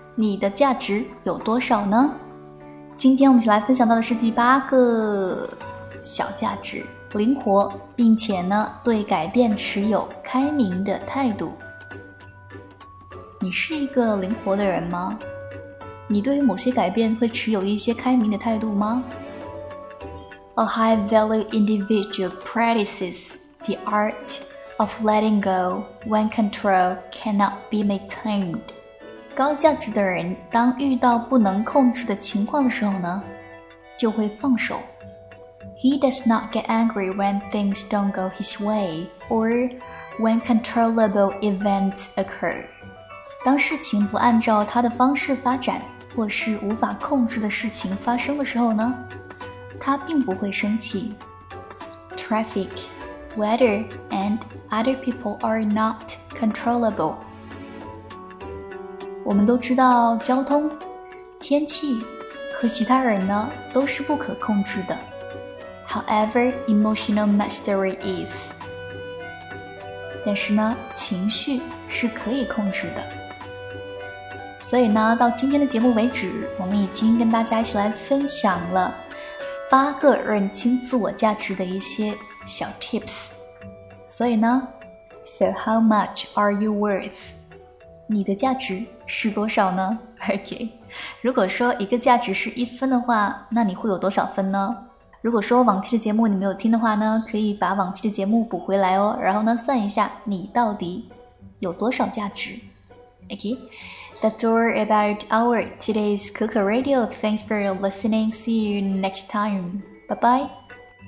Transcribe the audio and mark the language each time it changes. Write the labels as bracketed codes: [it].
[zh] 你的价值有多少呢？今天我们一起来分享到的是第八个小价值，灵活，并且呢，对改变持有开明的态度。你是一个灵活的人吗？你对于某些改变会持有一些开明的态度吗？ [en] A high value individual practices the art of letting go when control cannot be maintained. [zh] 高价值的人当遇到不能控制的情况的时候呢，就会放手。 [en] He does not get angry when things don't go his way or when controllable events occur. [zh] 当事情不按照他的方式发展，或是无法控制的事情发生的时候呢，他并不会生气。 [en] Traffic, weather, and other people are not controllable. [zh] 我们都知道交通、天气和其他人呢都是不可控制的。 [en] However, emotional mastery is. [zh] 但是呢，情绪是可以控制的。所以呢，到今天的节目为止，我们已经跟大家一起来分享了八个认清自我价值的一些小 tips。所以呢 [en] ，So how much are you worth? [zh] 你的价值是多少呢 ？OK， 如果说一个价值是一分的话，那你会有多少分呢？如果说往期的节目你没有听的话呢，可以把往期的节目补回来哦。然后呢，算一下你到底有多少价值。 [en] OK， that's all about our today's Coco Radio. Thanks for listening. See you next time. Bye bye.